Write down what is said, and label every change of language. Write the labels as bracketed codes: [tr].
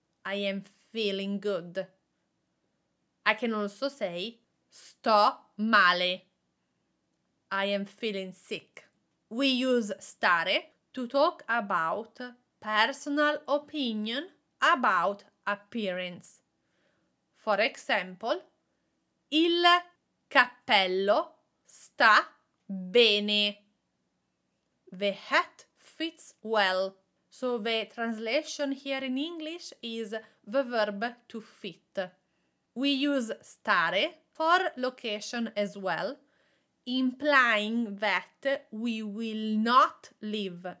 [en] I am feeling good. I can also say [it] sto male. [en] I am feeling sick. We use stare to talk about personal opinion about appearance. For example, [it] il cappello sta bene. [en] The hat fits well. So the translation here in English is the verb to fit. We use stare for location as well, implying that we will not live.